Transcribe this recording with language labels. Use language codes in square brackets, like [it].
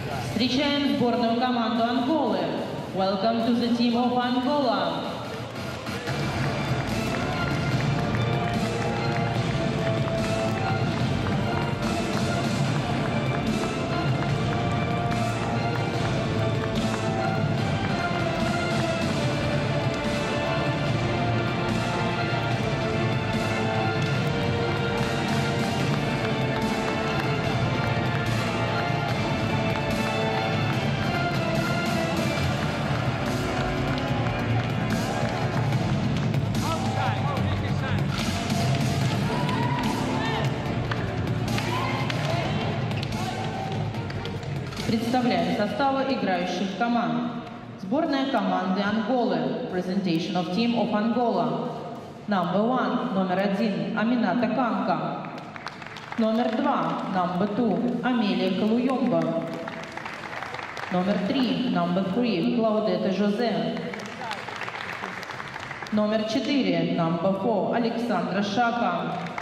[ru] Встречаем сборную команду Анголы. [en] Welcome to the team of Angola. [ru] Состава играющих команд. Сборная команды Анголы. [en] Presentation of team of Angola. Number one, [ru] номер один, Амината Канка. Номер два, [en] number two, [ru] Амелия Калуйомба. Номер три, [en] number three, [ru] Клаудета Жозе. Номер четыре, [en] number four, [ru] Александра Шака.